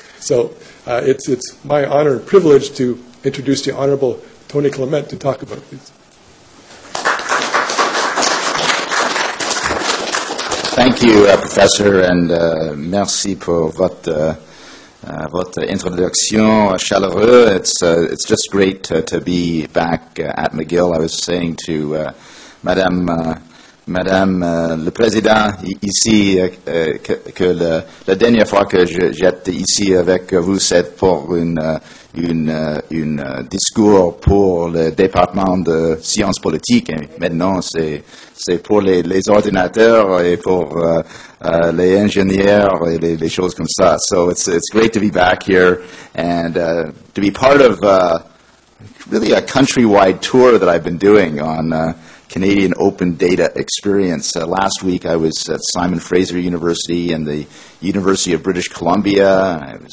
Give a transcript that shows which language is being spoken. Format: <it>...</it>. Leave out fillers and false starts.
<en>So it's my honor and privilege to introduce the Honorable Tony Clement to talk about this. Thank you, Professor, and</en> <fr>merci pour votre introduction chaleureuse.</fr> <en>It's just great to be back at McGill. I was saying to</en> <fr>Madame le Président, ici, que la dernière fois que j'étais ici avec vous, c'est pour une discours pour le département de sciences politiques. Maintenant, c'est pour les ordinateurs et pour les ingénieurs et les choses comme ça.</fr> <en>So it's great to be back here and to be part of really a countrywide tour that I've been doing on Canadian Open Data Experience. Last week I was at Simon Fraser University and the University of British Columbia.</en>